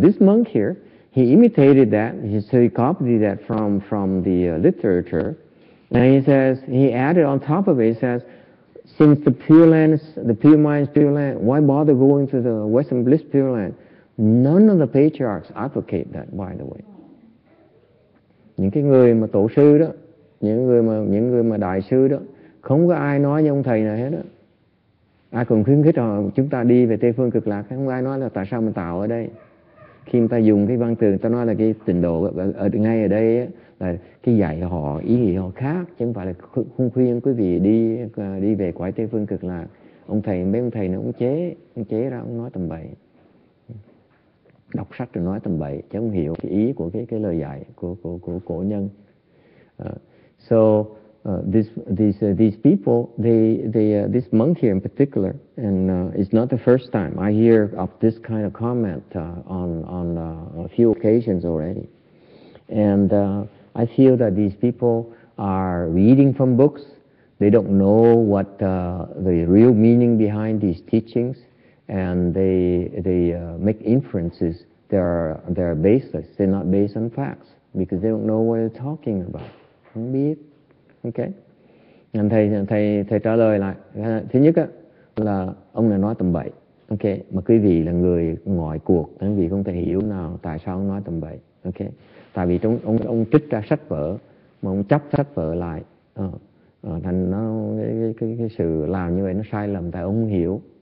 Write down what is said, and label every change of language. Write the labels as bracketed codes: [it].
[en] This monk here, he imitated that. So he copied that from the literature. And he says, he added on top of it, he says, since the pure land is, the pure mind is pure land, why bother going to the Western Bliss Pure Land? None of the patriarchs advocate that, by the way. [vi] Những cái người mà tổ sư đó, những người mà đại sư đó, không có ai nói như ông thầy này hết á. Ai còn khuyến khích họ chúng ta đi về Tây Phương Cực Lạc, không ai nói là tại sao mình tạo ở đây. Khi người ta dùng cái văn từ, người ta nói là cái trình độ ở ngay ở đây á, là cái dạy họ, ý nghĩa họ khác, chứ không phải là không khuyên quý vị đi về quả Tây Phương Cực Lạc. Ông thầy, mấy ông thầy nó cũng chế, ông chế ra, ông nói tầm bậy. Đọc sách rồi nói tầm bậy, chứ không hiểu cái ý của cái lời dạy của cổ nhân. [en] These people, this monk here in particular, and it's not the first time I hear of this kind of comment on a few occasions already. And I feel that these people are reading from books. They don't know what the real meaning behind these teachings, and they make inferences that are baseless. They're not based on facts because they don't know what they're talking about. [vi] Không biết. Okay. Anh thầy trả lời lại. Thứ nhất á là ông này nói tầm bậy. Okay, mà quý vị là người ngoài cuộc, quý vị không thể hiểu nào tại sao ông nói tầm bậy. Okay. Tại vì trong ông trích ra sách vở mà ông chấp sách vở lại. Thành nó cái sự làm như vậy nó sai lầm tại ông không hiểu.